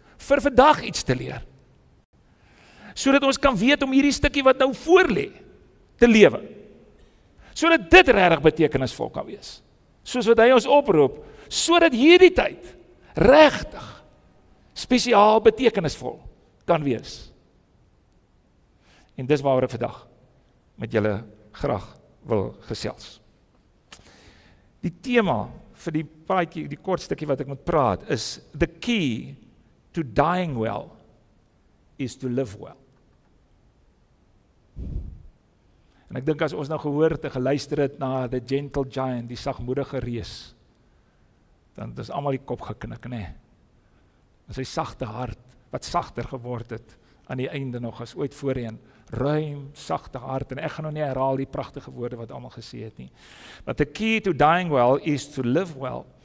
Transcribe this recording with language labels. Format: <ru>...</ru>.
<af>Vir vandag iets te leer. So dat ons kan weet om hierdie stukkie wat nou voorlê te lewe. So dat dit regtig betekenisvol kan wees. Soos wat hy ons oproep, so dat hierdie tyd regtig spesiaal betekenisvol kan wees. En dis waaroor ek vandag met julle graag wil gesels. Die tema vir die praatjie, die kort stukkie wat ek moet praat, is</af> <en>the key to dying well is to live well.</en> <af>En ek dink as ons nou gehoor het en geluister het na the gentle giant, die sagmoedige reus, dan het ons allemaal die kop geknik, nee. En sy sagte hart, wat sagter geword het, aan die einde nog as ooit voorheen, ruim, sagte hart, en ek gaan nou nie herhaal die pragtige woorde wat allemaal gesê het nie.</af> <en>But the key to dying well is to live well.</en>